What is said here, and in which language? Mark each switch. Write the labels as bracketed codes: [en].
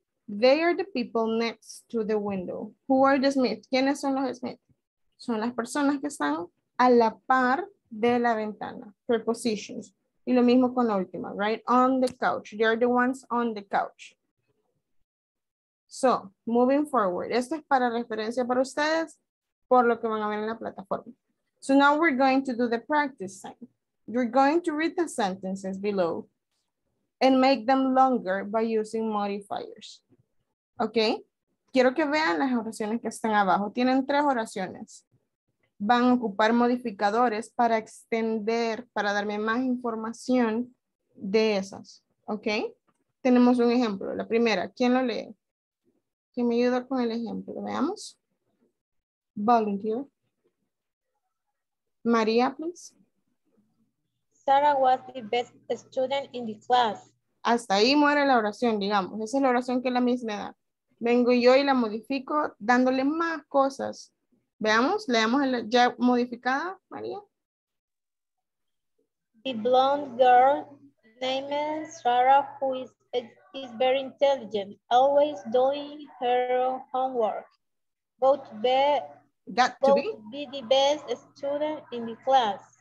[en] They are the people next to the window. Who are the Smith? [es] ¿Quiénes son los Smith? Son las personas que están a la par de la ventana. Prepositions. Y lo mismo con la última, [en] right? On the couch. They are the ones on the couch. So, moving forward. [es] Esto es para referencia para ustedes, por lo que van a ver en la plataforma. [en] So now we're going to do the practice sign. You're going to read the sentences below and make them longer by using modifiers. [es] Ok, quiero que vean las oraciones que están abajo. Tienen tres oraciones. Van a ocupar modificadores para extender, para darme más información de esas. Ok, tenemos un ejemplo. La primera, ¿quién lo lee? ¿Quién me ayuda con el ejemplo? Veamos. Volunteer. María, please. [en] Sarah was the best student in the class. [es] Hasta ahí muere la oración, digamos. Esa es la oración que la misma da. Vengo yo y la modifico dándole más cosas. Veamos, leamos el, ya modificada, María. [en] The blonde girl named Sarah, who is very intelligent, always doing her homework. Got to be the best student in the class.